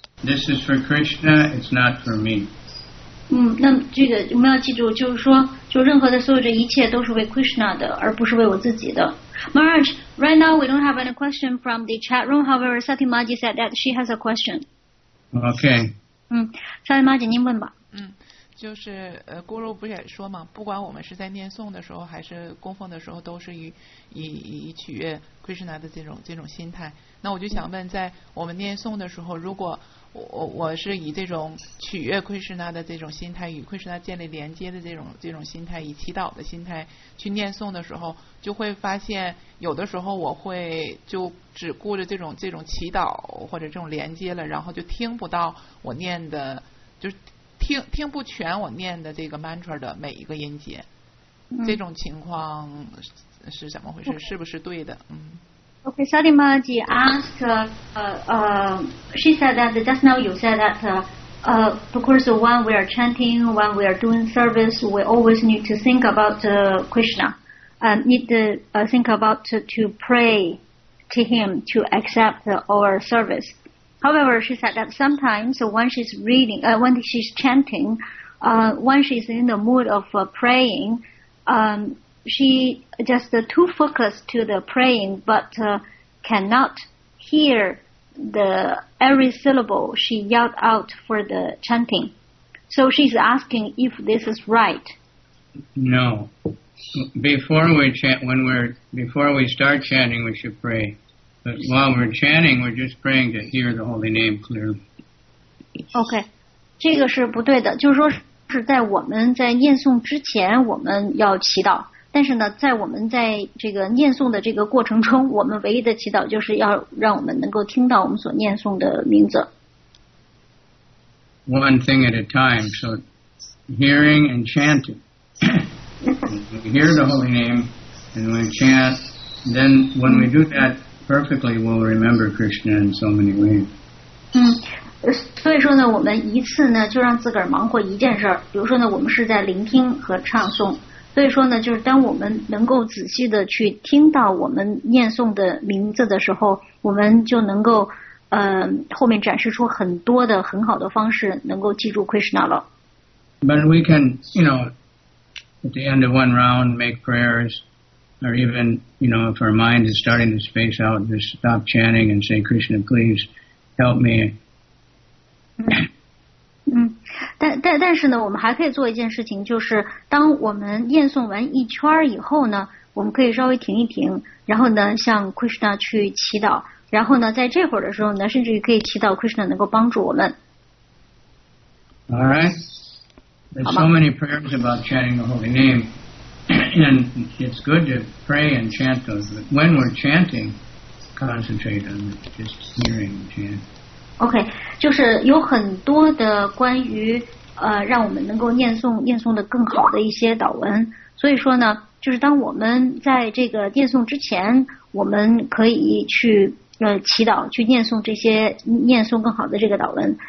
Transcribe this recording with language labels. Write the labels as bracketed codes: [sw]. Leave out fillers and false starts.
[en] This is for Krishna, it's not for me. [zh] 那这个我们要记住，就是说，就任何的所有这一切都是为 Krishna 的，而不是为我自己的。 [en] Maharaj, right now we don't have any question from the chat room. However, Sati Maji said that she has a question. Okay. [zh] Sati Maji, 您问吧。就是Guru 不也说嘛，不管我们是在念诵的时候，还是供奉的时候，都是以取悦 Krishna 的这种心态。那我就想问，在我们念诵的时候，如果我是以这种取悦 Krishna 的这种心态，与 Krishna 建立连接的这种心态，以祈祷的心态去念诵的时候，就会发现有的时候我会就只顾着这种祈祷或者这种连接了，然后就听不到我念的，就是听不全我念的这个 mantra 的每一个音节。这种情况是怎么回事？是不是对的？ [en] Okay, Sati Maharaji asked, she said that just now you said that, because when we are chanting, when we are doing service, we always need to think about Krishna, need to think about to pray to him to accept our service. However, she said that sometimes when she's reading, when she's chanting, when she's in the mood of praying, she just too focused to the praying, but cannot hear the every syllable she yelled out for the chanting. So she's asking if this is right. No. Before we start chanting, we should pray. But while we're chanting, we're just praying to hear the holy name clearly. [zh] Okay, 这个是不对的，就是说是在我们在念诵之前我们要祈祷，但是呢在我们在这个念诵的这个过程中，我们唯一的祈祷就是要让我们能够听到我们所念诵的名字。 [en] One thing at a time, so hearing and chanting. We hear the holy name and we chant, then when we do that perfectly, we'll remember Krishna in so many ways. [zh] 所以说呢，我们一次呢就让自个儿忙活一件事儿。比如说呢，我们是在聆听和唱诵。所以说呢，就是当我们能够仔细的去听到我们念诵的名字的时候，我们就能够后面展示出很多的很好的方式，能够记住 Krishna 了。 [en] But we can, you know, at the end of one round, make prayers, or even, you know, if our mind is starting to space out, just stop chanting and say, Krishna, please help me. [zh] 但是呢，我们还可以做一件事情，就是当我们念诵完一圈以后呢，我们可以稍微停一停，然后呢向 Krishna 去祈祷，然后呢在这会儿的时候呢，甚至于可以祈祷 Krishna 能够帮助我们。 [en] All right, there's so many prayers about chanting the holy name, and it's good to pray and chant those. But when we're chanting, concentrate on just hearing and chant. [zh] OK, 就是有很多的关于让我们能够念诵的更好的一些祷文。所以说呢，就是当我们在这个念诵之前，我们可以去祈祷，去念诵这些念诵更好的这个祷文。